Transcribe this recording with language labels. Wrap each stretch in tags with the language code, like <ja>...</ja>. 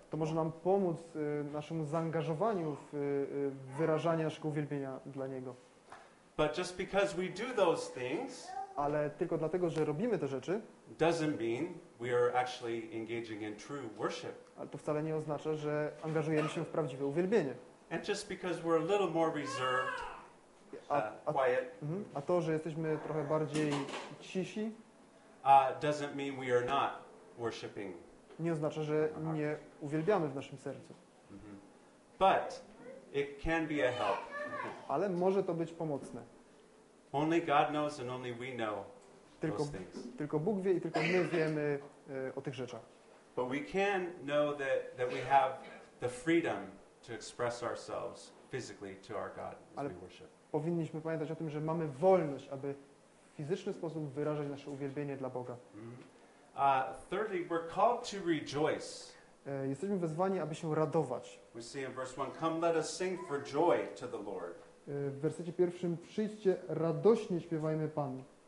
<pl>To może nam pomóc naszemu zaangażowaniu w wyrażanie naszego uwielbienia dla Niego.</pl> <en>But just because we do those things,</en> <pl>ale tylko dlatego, że robimy te rzeczy,</pl> <en>doesn't mean we are actually engaging in true worship.</en> <pl>Ale to wcale nie oznacza, że angażujemy się w prawdziwe uwielbienie.</pl> <en>And just because we're a little more reserved, quiet.</en> <pl>A to, że jesteśmy trochę bardziej cisi,</pl> <en>doesn't mean we are not worshiping.</en> <pl>Nie oznacza, że nie uwielbiamy w naszym sercu.</pl> <en>But it can be a help.</en> <pl>Ale może to być pomocne.</pl> <en>Only God knows and only we know.</en> <pl>Tylko Bóg wie i tylko my wiemy o tych rzeczach.</pl> <en>But we can know that we have the freedom to express ourselves physically to our God as we worship.</en> <pl>Powinniśmy pamiętać o tym, że mamy wolność, aby w fizyczny sposób wyrażać nasze uwielbienie dla Boga.</pl> <en>Thirdly, we're called to rejoice.</en> <pl>Jesteśmy wezwani, aby się radować.</pl> <en>We see in verse 1, come let us sing for joy to the Lord.</en> <pl>W wersecie pierwszym, przyjdźcie, radośnie śpiewajmy Panu.</pl>